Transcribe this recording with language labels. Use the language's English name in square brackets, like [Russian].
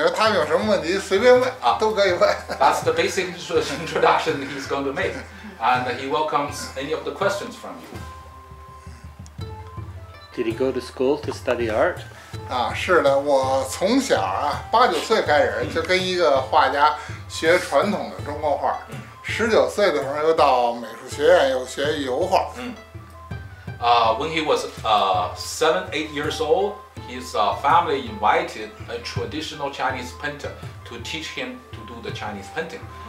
[English] That's the basic introduction he's going to make. And he welcomes any of the questions from you. Did he go to school to study art? [Chinese] 是的，我从小8、9岁开始就跟一个画家学传统的中国画，19岁的时候又到美术学院又学油画。 [English] When he was 7、8 years old, his family invited a traditional Chinese painter to teach him to do the Chinese painting.